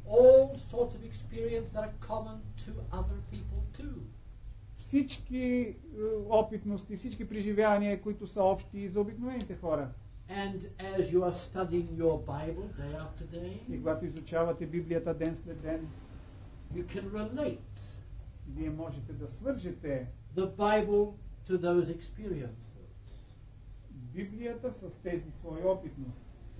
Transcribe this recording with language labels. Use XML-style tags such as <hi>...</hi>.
<en>All sorts of experience that are common to other people too.</en> <bg>Всички опитности, всички преживявания, които са общи и за обикновените хора.</bg> <en>And as you are studying your Bible day after day,</en> <bg>и когато изучавате Библията ден след ден,</bg> <en>you can relate.</en> <bg>Вие можете да свържете</bg> <en>the Bible to those experiences.</en> <bg>Библията с тези свои опитности.</bg>